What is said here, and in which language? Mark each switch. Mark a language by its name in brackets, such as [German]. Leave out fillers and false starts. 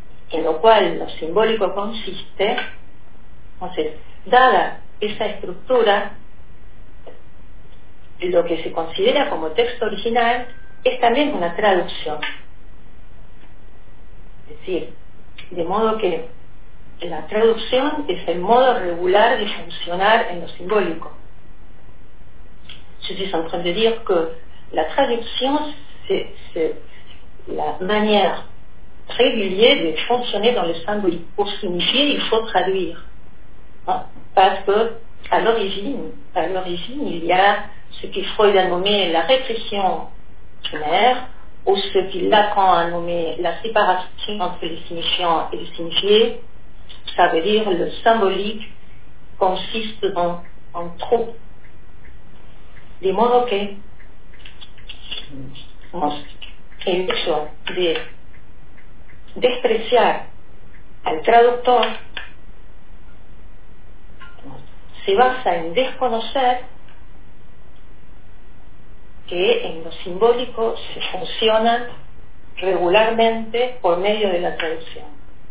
[Spanish] en lo cual lo simbólico consiste, entonces, dada esa estructura, lo que se considera como texto original es también una traducción. Es decir, de modo que la traducción es el modo regular de funcionar en lo simbólico. [French] Je suis en train de dire que [Spanish] la traducción [French] c'est la manière régulière de fonctionner dans le symbolique. Pour signifier, il faut traduire. Hein? Parce que à l'origine, il y a ce que Freud a nommé la répression primaire, ou ce que Lacan a nommé la séparation entre les signifiants et les signifiés. Ça veut dire le symbolique consiste en trop. [Spanish] De modo que, el hecho de despreciar al traductor se basa en desconocer que en lo simbólico se funciona regularmente por medio de la traducción.